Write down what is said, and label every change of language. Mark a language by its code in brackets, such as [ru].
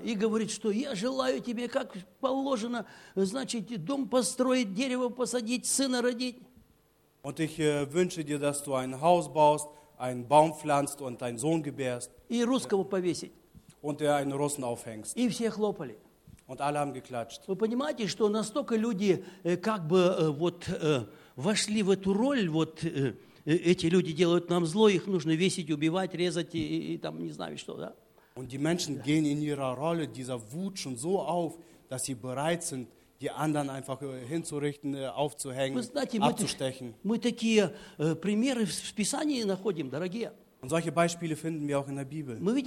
[ru] И говорит, что я желаю тебе, как положено, значит, дом построить, дерево посадить, сына родить. [de] Ich wünsche dir, dass du ein Haus baust, einen Baum pflanzt und deinen Sohn gebärst. [ru] И русского повесить. [de] Und er einen Russen aufhängst. [ru] И все хлопали. [de] Und alle haben geklatscht. [ru] Вы понимаете, что настолько люди как бы вот вошли в эту роль, вот эти люди делают нам зло, их нужно весить, убивать, резать и там не знаю что, да? [de] Und die Menschen gehen in ihrer Rolle dieser Wut schon so auf, dass sie bereit sind, die anderen einfach hinzurichten, aufzuhängen, abzustechen. Und solche Beispiele finden wir auch in der Bibel.